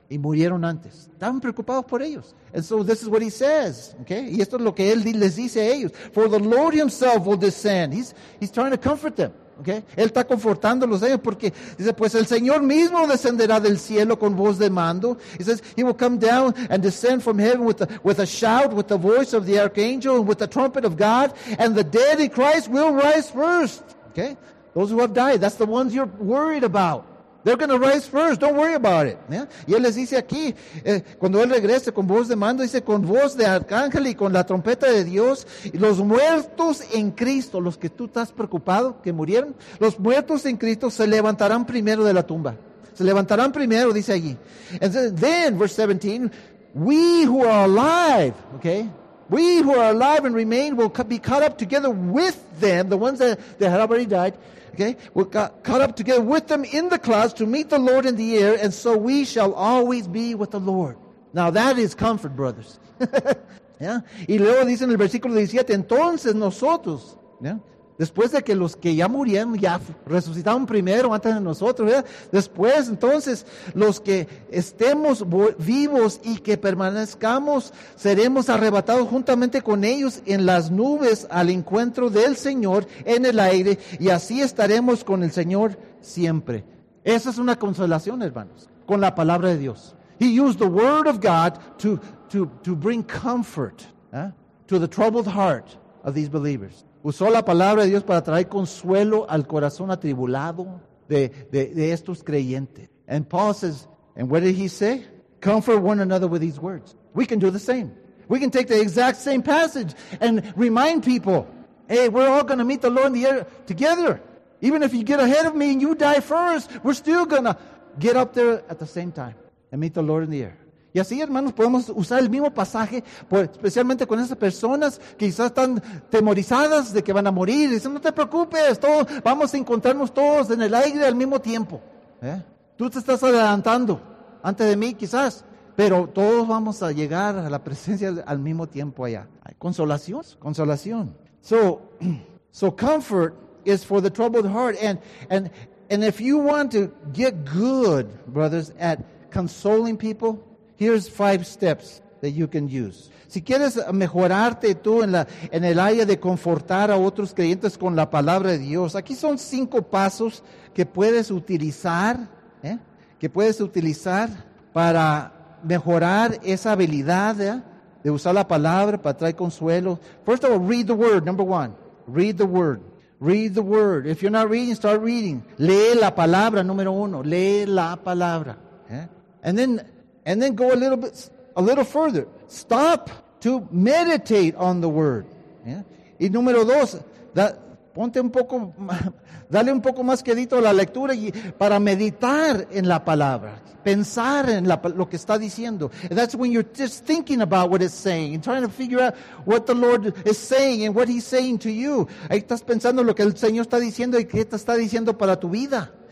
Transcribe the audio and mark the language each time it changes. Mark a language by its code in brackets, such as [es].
[es] Y murieron antes. Estaban preocupados por ellos. [en] And so this is what he says. Okay? [es] Y esto es lo que él les dice a ellos. [en] For the Lord himself will descend. He's trying to comfort them. Okay? [es] Él está confortándolos a ellos porque dice, pues el Señor mismo descenderá del cielo con voz de mando. [en] He says, he will come down and descend from heaven with a shout, with the voice of the archangel, and with the trumpet of God, and the dead in Christ will rise first. Okay? Those who have died, that's the ones you're worried about. They're going to rise first. Don't worry about it. Yeah? [es] Y él les dice aquí, cuando él regrese con voz de mando, dice, con voz de arcángel y con la trompeta de Dios, los muertos en Cristo, los que tú estás preocupado, que murieron, los muertos en Cristo se levantarán primero de la tumba. Se levantarán primero, dice allí. [en] And then, verse 17, we who are alive, okay, we who are alive and remain will be caught up together with them, the ones that had already died, okay, we're caught up together with them in the clouds to meet the Lord in the air, and so we shall always be with the Lord. Now that is comfort, brothers. Yeah? [es] Y luego dice en el versículo 17, entonces nosotros, yeah? Después de que los que ya murieron, ya resucitaron primero antes de nosotros, ¿verdad? Después, entonces, los que estemos vivos y que permanezcamos, seremos arrebatados juntamente con ellos en las nubes al encuentro del Señor en el aire, y así estaremos con el Señor siempre. Esa es una consolación, hermanos, con la palabra de Dios. [en] He used the word of God to bring comfort, ¿eh?, to the troubled heart of these believers. [es] Usó la palabra de Dios para traer consuelo al corazón atribulado de estos creyentes. [en] And Paul says, and what did he say? Comfort one another with these words. We can do the same. We can take the exact same passage and remind people, hey, we're all going to meet the Lord in the air together. Even if you get ahead of me and you die first, we're still going to get up there at the same time and meet the Lord in the air. [es] Y así, hermanos, podemos usar el mismo pasaje, pues, especialmente con esas personas que quizás están temorizadas de que van a morir. Dicen, no te preocupes, todos, vamos a encontrarnos todos en el aire al mismo tiempo. ¿Eh? Tú te estás adelantando antes de mí, quizás, pero todos vamos a llegar a la presencia al mismo tiempo allá. ¿Hay consolación? Consolación. [en] So comfort is for the troubled heart. And if you want to get good, brothers, at consoling people, here's five steps that you can use. [es] Si quieres mejorarte tú en el área de confortar a otros creyentes con la palabra de Dios, aquí son cinco pasos que puedes utilizar, ¿eh?, que puedes utilizar para mejorar esa habilidad, ¿eh?, de usar la palabra para traer consuelo. [en] First of all, read the word, number one. Read the word. Read the word. If you're not reading, start reading. [es] Lee la palabra, número uno. Lee la palabra. ¿Eh? [en] And then go a little further. Stop to meditate on the word. Yeah? [es] Y número dos, dale un poco más quedito a la lectura y para meditar en la palabra. Pensar en lo que está diciendo. [en] And that's when you're just thinking about what it's saying and trying to figure out what the Lord is saying and what he's saying to you. [es] Ahí estás pensando lo que el Señor está diciendo y qué te está diciendo para tu vida.